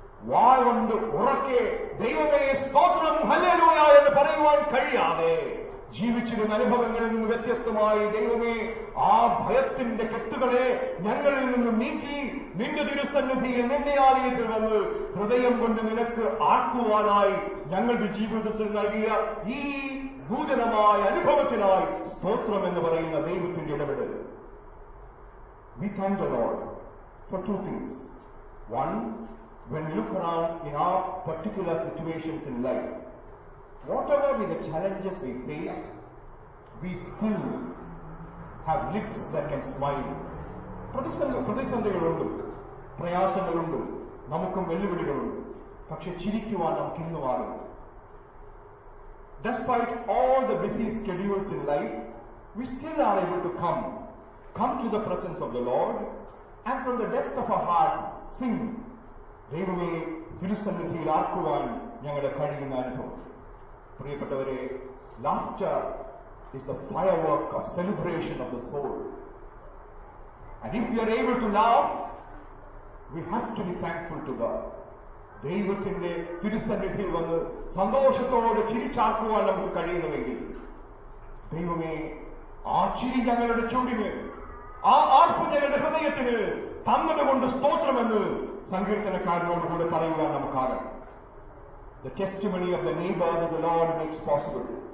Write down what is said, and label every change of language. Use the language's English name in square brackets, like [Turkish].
[Malayalam] വായുകൊണ്ട് ഉറക്കെ ദൈവമേ സ്തോത്രം ഹല്ലേലൂയ എന്ന് പറയുവാൻ കഴിയാതെ ജീവിച്ചിരുന്ന അനുഭവങ്ങളിൽ നിന്ന് വ്യത്യസ്തമായി ദൈവമേ ആ ഭയത്തിന്റെ കെട്ടുകളെ ഞങ്ങളിൽ നിന്ന് നീക്കി നിന്റെ തിരുസന്നിധിയിൽ നിന്റെ ആലയത്തിൽ വന്ന് ഹൃദയം കൊണ്ട് നിനക്ക് ആർക്കുവാനായി ഞങ്ങളുടെ ജീവിതത്തിൽ നൽകിയ ഈ നൂതനമായ അനുഭവത്തിനായി സ്തോത്രം എന്ന് പറയുന്ന ദൈവത്തിന്റെ ഇടപെടൽ. [English] We thank the Lord for two things. One, when we look around in our particular situations in life, whatever be the challenges we face, we still have lips that can smile. [Malayalam] പ്രതിസന്ധികളുണ്ട്, പ്രയാസങ്ങളുണ്ട്, നമുക്കും വെല്ലുവിളികളുണ്ട്, പക്ഷെ ചിരിക്കുവാൻ നമുക്ക് ഇന്ന് മാറും. [English] Despite all the busy schedules in life, we still are able to come to the presence of the Lord and from the depth of our hearts sing, [Malayalam] ദൈവമേ തിരുസന്നിധിയിൽ ആർക്കുവാൻ ഞങ്ങളുടെ കഴിയുന്ന അനുഭവം. പ്രിയപ്പെട്ടവരെ, [English] laughter is the firework of celebration of the soul. And if we are able to laugh, we have to be thankful to God. [Malayalam] ദൈവത്തിന്റെ തിരുസന്നിധി വന്ന് സന്തോഷത്തോടെ ചിരിച്ചാക്കുവാൻ നമുക്ക് കഴിയുന്നുവെങ്കിൽ, ദൈവമേ ആ ചിരി ഞങ്ങളുടെ ചൂടിന്, ആ ആർപ്പു ഞങ്ങളുടെ ഹൃദയത്തിന് തന്നതുകൊണ്ട് സ്തോത്രമെന്ന് സങ്കീർത്തനക്കാരനോടുകൂടെ പറയുവാൻ നമുക്കാകും. [English] The testimony of the neighbor that the Lord makes possible.